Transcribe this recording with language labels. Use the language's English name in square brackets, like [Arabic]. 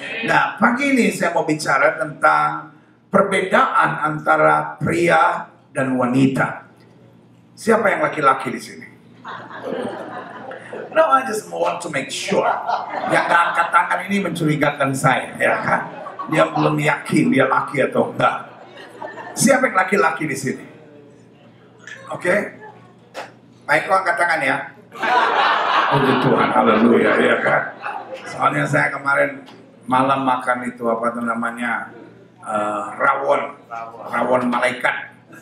[Indonesian] Nah, pagi ini saya mau bicara tentang perbedaan antara pria dan wanita. Siapa yang laki-laki di sini? [English] No, I just want to make sure. [Indonesian] Yang gak angkat tangan ini mencurigakan saya, ya kan? Dia belum yakin dia laki atau enggak. Siapa yang laki-laki di sini? Oke? Okay? Baik, kau angkat tangan ya. Puji Tuhan, haleluya, ya kan? Soalnya saya kemarin malam makan itu apa tuh namanya rawon malaikat.